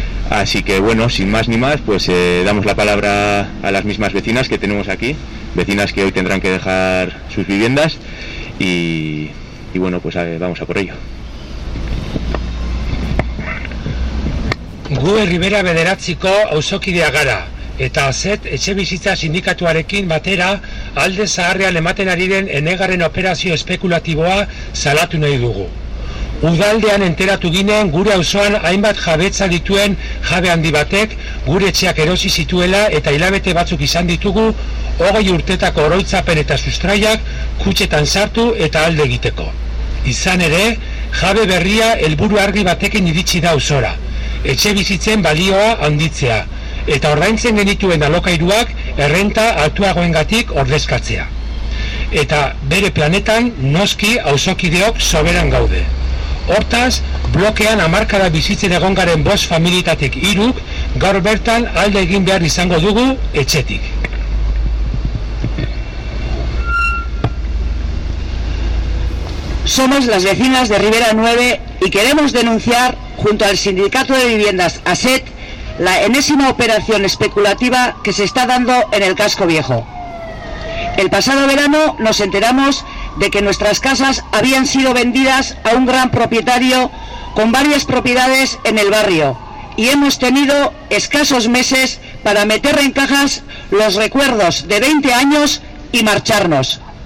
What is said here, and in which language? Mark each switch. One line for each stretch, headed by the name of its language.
Spanish: Así que bueno, sin más ni más, pues damos la palabra a las mismas vecinas que tenemos aquí, vecinas que hoy tendrán que dejar sus viviendas y bueno, pues vamos a por ello.
Basque: Gu Ribera 9ko auzokidea gara eta azet etxebizitza sindikatuarekin batera alde zaharrean ematen ari den enegarren operazio espekulatiboa salatu nahi dugu. Udaldean enteratu ginen gure auzoan hainbat jabetza dituen jabe handi batek gure etxeak erosi zituela eta hilabete batzuk izan ditugu 20 urtetako oroitzapen eta sustraiak kutxetan sartu eta alde egiteko. Izan ere, jabe berria helburu argi batekin iritsi da auzora. Etxe bizitzen balioa handitzea eta ordaintzen genituen alokairuak errenta altuagoengatik ordezkatzea. Eta bere planetan noski auzokideok soberan gaude. Hortaz, blokean hamarkada bizitzen egongaren bost familietatik hiruk gaur bertan alde egin behar izango dugu etxetik.
Spanish: Somos las vecinas de Ribera 9 y queremos denunciar junto al sindicato de viviendas ASET la enésima operación especulativa que se está dando en el casco viejo. El pasado verano nos enteramos de que nuestras casas habían sido vendidas a un gran propietario con varias propiedades en el barrio y hemos tenido escasos meses para meter en cajas los recuerdos de 20 años y marcharnos.